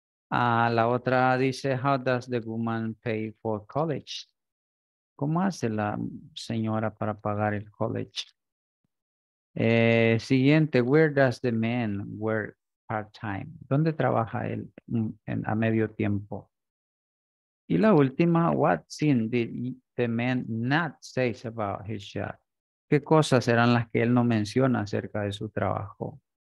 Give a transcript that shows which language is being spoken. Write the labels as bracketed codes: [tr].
[es] La otra dice, [en] how does the woman pay for college? [es] ¿Cómo hace la señora para pagar el college? [en] Siguiente, where does the man work part-time? [es] ¿Dónde trabaja él a medio tiempo? Y la última, [en] what thing did the man not say about his job? [es] ¿Qué cosas serán las que él no menciona acerca de su trabajo?